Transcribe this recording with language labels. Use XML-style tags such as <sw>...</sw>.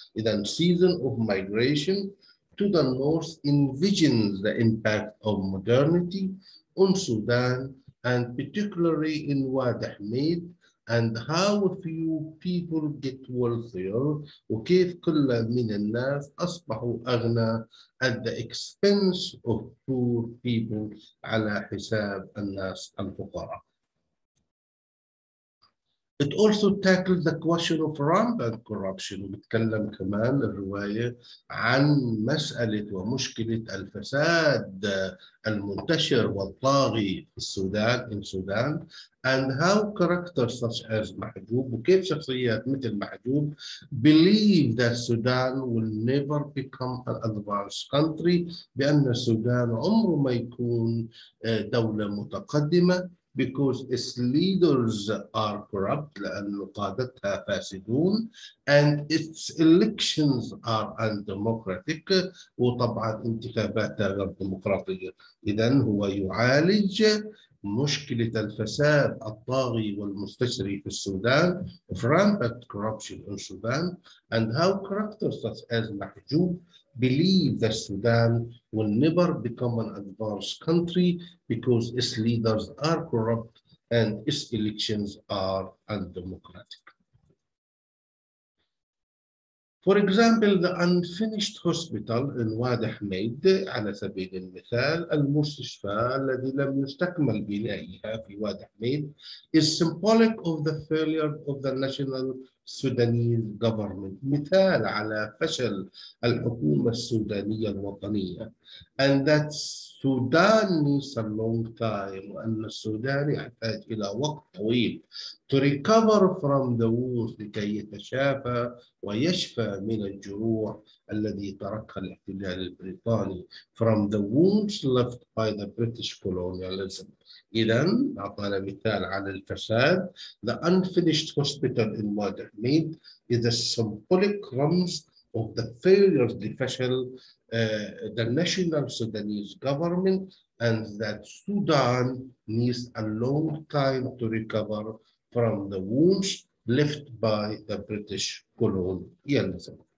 <en>إذن season of migration to the north envisions the impact of modernity on Sudan and particularly in Wad Hamid and how few people get wealthier,</en> <ar>وكيف كل من الناس أصبحوا أغنى,</ar> <en>at the expense of poor people,</en> <ar>على حساب الناس الفقراء.</ar> <en>It also tackles the question of rampant corruption.</en> <ar>بتكلم كمان الرواية عن مسألة ومشكلة الفساد المنتشر والطاغي في السودان</ar> <en>in Sudan and how characters such as Mahjoub</en> <ar>وكيف شخصيات مثل محجوب</ar> <en>believe that Sudan will never become an advanced country</en> <ar>بأن السودان عمره ما يكون دولة متقدمة</ar> <en>because its leaders are corrupt</en> <ar>لأن قادتها فاسدون</ar> <en>and its elections are undemocratic</en> <ar>وطبعا انتخاباتها غير ديمقراطية. إذن هو يعالج مشكلة الفساد الطاغي والمستشري في السودان</ar> <en>of rampant corruption in Sudan and how characters such as Mahjoub believe that Sudan will never become an advanced country because its leaders are corrupt and its elections are undemocratic. For example, the unfinished hospital in Wadi Hamid,</en> <ar>على سبيل المثال, المستشفى الذي لم يستكمل بنائها في</ar> <en>Wadi Hamid, is symbolic of the failure of the national Sudanese government.</en> <ar>مثال على فشل الحكومة السودانية الوطنية.</ar> <en>And that Sudan needs a long time.</en> <ar>وأن السودان يحتاج إلى وقت طويل</ar> <en>to recover from the wounds</en> <ar>لكي يتشافى ويشفى من الجروح الذي تركها الاحتلال البريطاني</ar> <en>from the wounds left by the British colonialism.</en> <ar>إذن أعطانا مثال على الفساد.</ar> <en>The unfinished hospital in Wadi Hamid is a symbolic crumbs of the failure of the fashion the national Sudanese government and that Sudan needs a long time to recover from the wounds left by the British colonialism.</en>